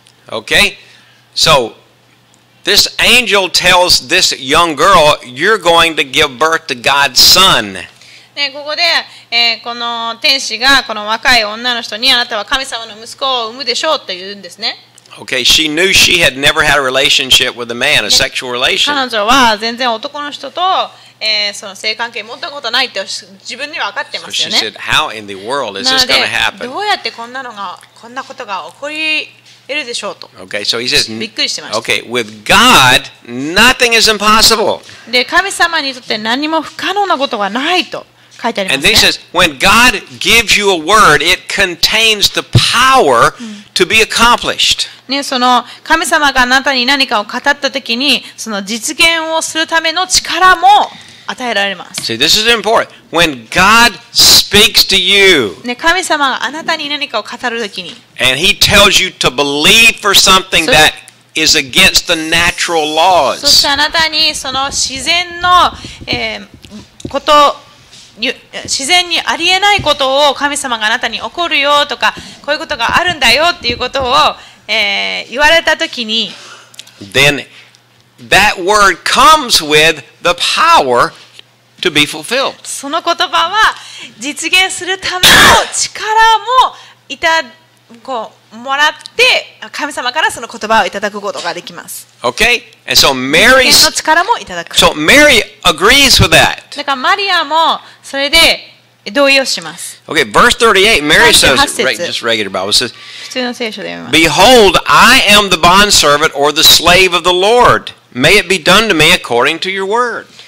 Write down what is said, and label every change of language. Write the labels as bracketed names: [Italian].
[English] Okay, so this angel tells this young girl, "You're going to give birth to God's son." [Japanese] ね、ここで、この天使がこの若い女の人にあなたは神様の息子を産むでしょうって言うんですね。 [English] Okay, she knew she had never had a relationship with a man, a sexual relation. [Japanese] 彼女は全然男の人と、その性関係持ったことないって自分には分かってますよね。 [English] So she said, "How in the world is this going to happen?" [Japanese] どうやってこんなのがこんなことが起こり得るでしょうと。 [English] Okay, so he says, [Japanese] びっくりしてました。 [English] Okay, with God, nothing is impossible. [Japanese] で、神様にとって何も不可能なことがないと。 [English] And then he says, when God gives you a word, it contains the power to be accomplished. [Japanese] ね、その神様があなたに何かを語った時に、その実現をするための力も与えられます。 [English] See, this is important. When God speaks to you, [Japanese] ね、神様があなたに何かを語る時に、 [English] and he tells you to believe for something that is against the natural laws. [Japanese] そしてあなたにその自然の、こと自然にありえないことを神様があなたに起こるよとかこういうことがあるんだよっていうことを、言われたときに [English] Then that word comes with the power to be fulfilled. [Japanese] その言葉は実現するための力もいたこうもらって神様からその言葉をいただくことができます。 [English] Okay, and so Mary [Japanese] の力もいただく。 [English] So Mary agrees with that. [Japanese] だからマリアもそれで同意をします。 [English] Okay, verse 38, Mary says, just regular Bible says, [Japanese] 普通の聖書で読みます。 [English] Behold, I am the bond servant or the slave of the Lord. May it be done to me according to your word.